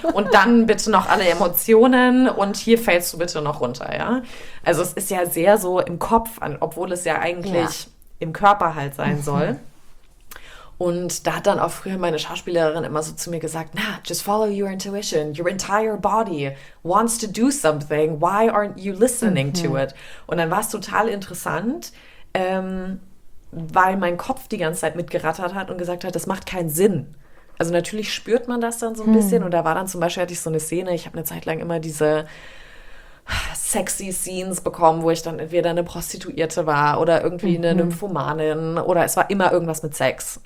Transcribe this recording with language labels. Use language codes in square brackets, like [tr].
[de] Und dann bitte noch alle Emotionen und hier fällst du bitte noch runter, ja? Also es ist ja sehr so im Kopf, obwohl es ja eigentlich im Körper halt sein soll. Und da hat dann auch früher meine Schauspielerin immer so zu mir gesagt, na, [en] just follow your intuition. Your entire body wants to do something. Why aren't you listening to it? [de] Und dann war es total interessant, weil mein Kopf die ganze Zeit mitgerattert hat und gesagt hat, das macht keinen Sinn. Also natürlich spürt man das dann so ein bisschen. Und da war dann zum Beispiel, hatte ich so eine Szene, ich habe eine Zeit lang immer diese sexy Scenes bekommen, wo ich dann entweder eine Prostituierte war oder irgendwie eine Nymphomanin oder es war immer irgendwas mit Sex.